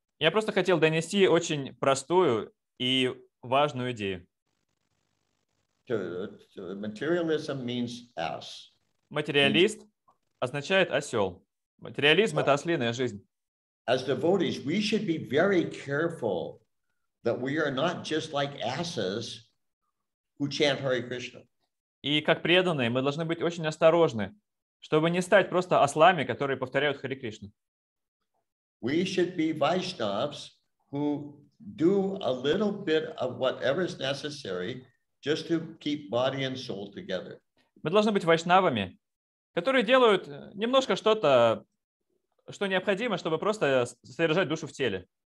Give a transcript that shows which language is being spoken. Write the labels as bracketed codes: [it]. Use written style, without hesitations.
[ru] Я просто хотел донести очень простую и важную идею. [en] Materialism means ass. [ru] Материалист означает осел. Материализм — это ослиная жизнь. [en] As devotees, we should be very careful that we are not just like asses who chant Hare Krishna. [ru] И как преданные, мы должны быть очень осторожны, чтобы не стать просто ослами, которые повторяют Хари Кришну. [en] We should be Vaishnavs who do a little bit of whatever is necessary just to keep body and soul together. [ru] Мы должны быть вайшнавами, которые делают немножко что-то, что необходимо, чтобы просто содержать душу в теле.